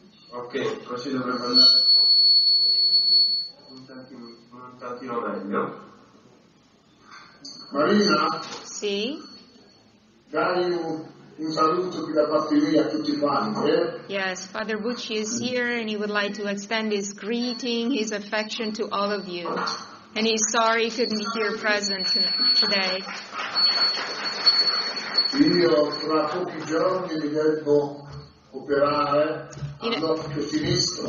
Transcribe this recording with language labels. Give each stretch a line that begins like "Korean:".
Italian: Ok, così dovrebbe andare un attimo meglio. Marina? Sì? Dai un saluto qui da parte mia a tutti quanti.
English: Yes, Father Bucci is here and he would like to extend his greeting, his affection to all of you. And he's sorry he couldn't be here present today.
Italian: Io tra pochi giorni mi devo operare all'occhio sinistro.